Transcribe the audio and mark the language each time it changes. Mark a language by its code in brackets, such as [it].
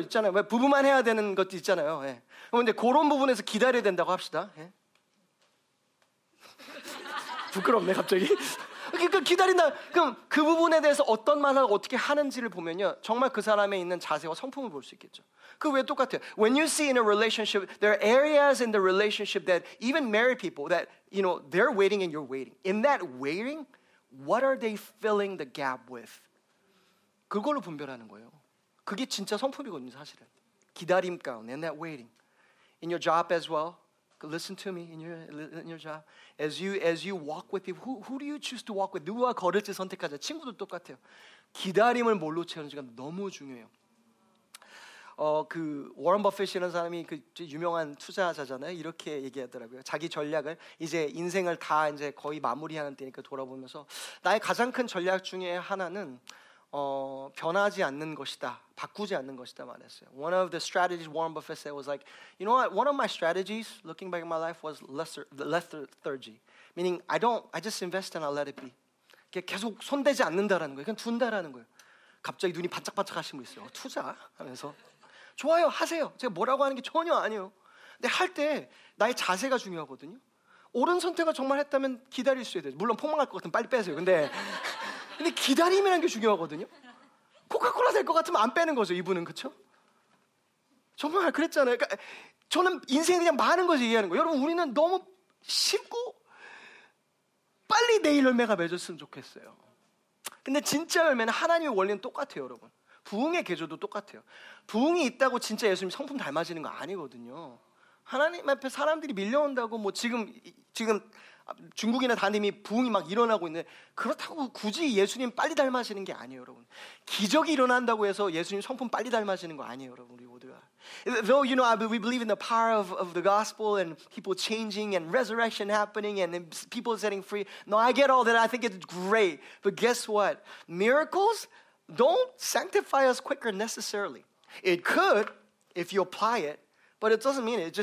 [ko] 있잖아요. 왜 부부만 해야 되는 것도 있잖아요. 예. 그럼 이제 그런 부분에서 기다려야 된다고 합시다. 예. 부끄럽네 갑자기. 그러니까 기다린다. 그럼 그 부분에 대해서 어떤 말을 어떻게 하는지를 보면요, 정말 그 사람에 있는 자세와 성품을 볼 수 있겠죠. 그 외에 똑같아요. [en] When you see in a relationship, there are areas in the relationship that even married people that you know they're waiting and you're waiting. In that waiting, what are they filling the gap with? [ko] 그걸로 분별하는 거예요. 그게 진짜 성품이거든요, 사실은. 기다림 가운데, [en] in that waiting, in your job as well. Listen to me in your job. As you walk with people, who do you choose to walk with? [ko] 누구와 걸을지 선택하자. 친구도 똑같아요. 기다림을 뭘로 채우는지가 너무 중요해요. 그 워런 버핏이라는 사람이 그 유명한 투자자잖아요. 이렇게 얘기하더라고요. 자기 전략을 이제 인생을 다 이제 거의 마무리하는 때니까 돌아보면서 나의 가장 큰 전략 중에 하나는 변하지 않는 것이다. 바꾸지 않는 것이다 말했어요. [en] One of the strategies Warren Buffett said was like, you know what? One of my strategies looking back in my life was lethargy. Meaning I just invest and I let it be. [ko] 계속 손대지 않는다라는 거예요. 그냥 둔다라는 거예요. 갑자기 눈이 반짝반짝 하신 거 있어요. 투자 하면서 좋아요. 하세요. 제가 뭐라고 하는 게 전혀 아니에요. 근데 할 때 나의 자세가 중요하거든요. 옳은 선택을 정말 했다면 기다릴 수 있어야 돼요. 물론 폭망할 것 같으면 빨리 빼세요. 근데 기다림이라는 게 중요하거든요. 코카콜라 될 것 같으면 안 빼는 거죠, 이분은. 그렇죠? 정말 그랬잖아요. 그러니까 저는 인생이 그냥 많은 것을 이해하는 거예요. 여러분, 우리는 너무 쉽고 빨리 내일 열매가 맺었으면 좋겠어요. 근데 진짜 열매는 하나님의 원리는 똑같아요, 여러분. 부흥의 계조도 똑같아요. 부흥이 있다고 진짜 예수님 성품 닮아지는 거 아니거든요. 하나님 앞에 사람들이 밀려온다고 뭐 지금 중국이나 다님이 부흥이 막 일어나고 있는데 그렇다고 굳이 예수님 빨리 닮아지는 게 아니에요, 여러분. 기적이 일어난다고 해서 예수님 성품 빨리 닮아지는 거 아니에요, 여러분, 우리 모두가. [en] Though, you know, we believe in the power of the gospel and people changing and resurrection happening and people setting free. No, I get all that. I think it's great. But guess what? Miracles don't sanctify us quicker necessarily. It could if you apply it. But it doesn't mean it.